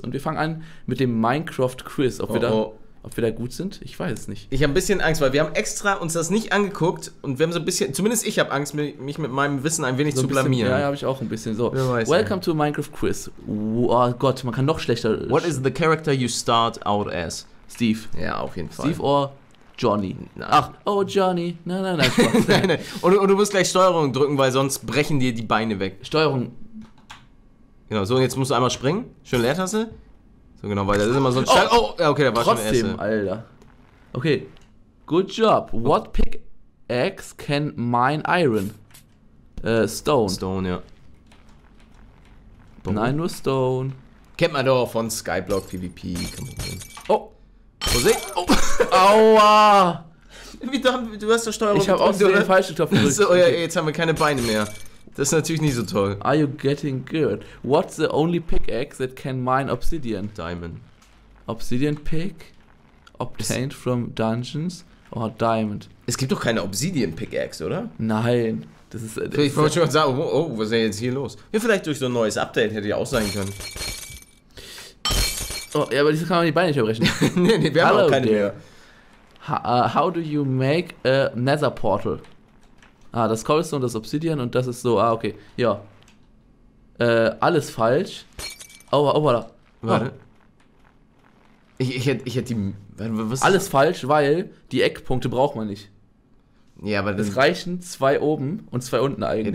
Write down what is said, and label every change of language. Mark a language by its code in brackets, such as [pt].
[de] Und wir fangen an mit dem Minecraft Quiz. Ob wir da gut sind? Ich weiß es nicht. Ich habe ein bisschen Angst, weil wir haben extra uns das nicht angeguckt und wir haben so ein bisschen, zumindest ich habe Angst, mich mit meinem Wissen ein wenig so ein zu blamieren. Bisschen, ja, habe ich auch ein bisschen. So. [en] Welcome to Minecraft Quiz. [de] Oh Gott, man kann noch schlechter. [en] What is the character you start out as? Steve. [de] Ja, auf jeden Fall. [en] Steve or Johnny. [de] Nein. Ach, oh Johnny. Nein. Und du musst gleich Steuerung drücken, weil sonst brechen dir die Beine weg. Steuerung. Genau, so, jetzt musst du einmal springen. Schöne Leertaste. So, genau, weil das ist immer so ein Stein. Oh, ja, okay, da war trotzdem, schon der erste. Alter. [en] Okay, good job. What pickaxe can mine iron? Stone. [de] Stone, ja. Boom. Nein, nur Stone. Kennt man doch von Skyblock PvP. Oh. Vorsicht. Oh. Aua. Du hast doch Steuerung. Ich hab auch den falschen Knopf gedrückt. So, okay. Ja, jetzt haben wir keine Beine mehr. Das ist natürlich nicht so toll. [en] Are you getting good? What's the only pickaxe that can mine obsidian? Diamond. Obsidian pick? Obtained from dungeons? Or diamond? [de] Es gibt doch keine Obsidian pickaxe, oder? Nein. Ich wollte schon mal sagen, oh, was ist denn jetzt hier los? Ja, vielleicht durch so ein neues Update hätte ich auch sein können. Oh, ja, aber diese kann man die Beine nicht verbrechen. Nee, wir haben auch keine mehr. [en] How do you make a nether portal? [de] Ah, das Cobblestone, das Obsidian und das ist so, ah, okay, ja. Alles falsch. Oh, warte. Warte. Ich hätte die... Was alles das? Falsch, weil die Eckpunkte braucht man nicht. Ja, aber es reichen zwei oben und zwei unten eigentlich.